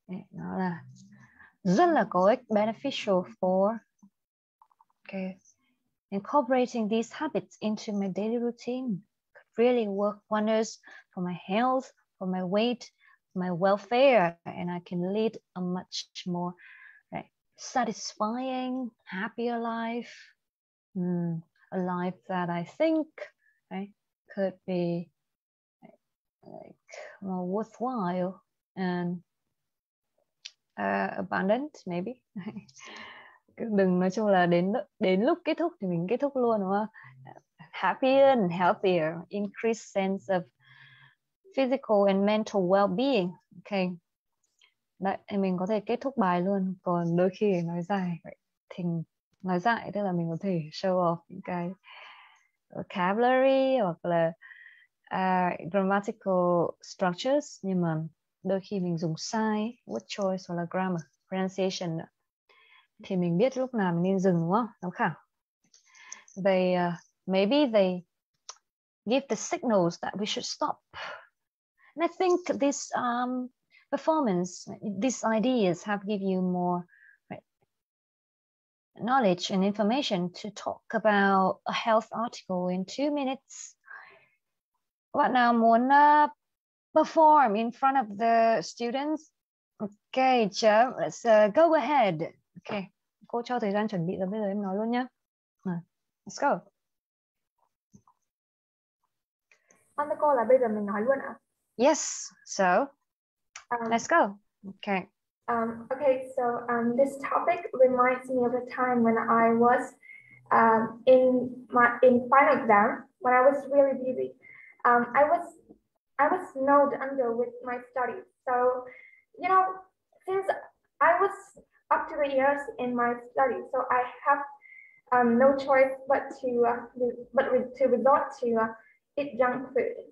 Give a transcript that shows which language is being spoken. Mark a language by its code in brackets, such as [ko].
[vi] Nó là rất là có ích, [en] beneficial for. Okay. Incorporating these habits into my daily routine could really work wonders for my health, for my weight, my welfare, and I can lead a much more satisfying, happier life. A life that I think could be more worthwhile and abundant, maybe. [vi] Đừng nói chung là đến lúc kết thúc thì mình kết thúc luôn, đúng không? [en] Happier and healthier, increased sense of physical and mental well-being. Okay. [vi] Đấy, mình có thể kết thúc bài luôn. Còn đôi khi nói dài thì nói dài tức là mình có thể [en] show off [vi] những cái vocabulary hoặc là grammatical structures, nhưng mà đôi khi mình dùng sai word choice hoặc là grammar pronunciation thì mình biết lúc nào mình nên dừng, đúng không, giám khảo? [en] They maybe they give the signals that we should stop. And I think this performance, these ideas have given you more knowledge and information to talk about a health article in 2 minutes. [vi] Bạn nào muốn [en] perform in front of the students? Okay, [vi] chờ, [en] let's go ahead. [vi] Okay, cô cho thời gian chuẩn bị rồi, bây giờ em nói luôn nhé. [en] Let's go. [vi] Con thưa cô là bây giờ mình nói luôn ạ. [en] Yes, so let's go. Okay. Okay, so this topic reminds me of a time when I was in final exam, when I was really busy. I was not under with my study. So, you know, since I was up to the ears in my study, so I have no choice but to resort to eat junk food.